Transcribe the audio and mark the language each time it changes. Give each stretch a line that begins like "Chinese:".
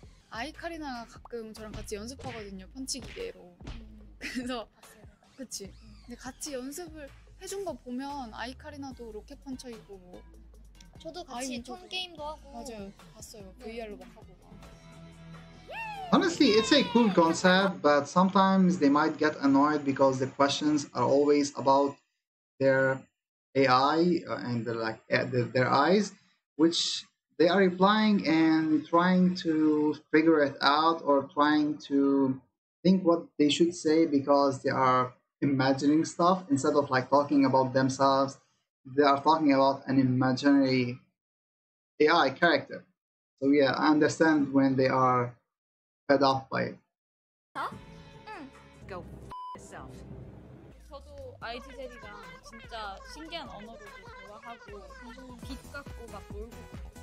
Korean: 아이 카리나가 가끔 저랑 같이 연습하거든요. 펀치기계로. 그래서 그치. 근데 같이 연습을 해준 거 보면 아이 카리나도 로켓 펀쳐이고 뭐. 저도 같이 총 게임도 하고. 맞아요. 봤어요. VR로 막 하고.
English: Honestly, it's a cool concept, but sometimes they might get annoyed because the questions are always about their AI and the, like their eyes, which they are replying and trying to figure it out or trying to think what they should say because they are imagining stuff instead of like talking about themselves. They are talking about an imaginary AI character. So yeah, I understand when they are fed up by it. go f yourself.
Korean: 저도 아이지젤이가 진짜 신기한 언어를 좋아하고 빛 갖고 막 놀고.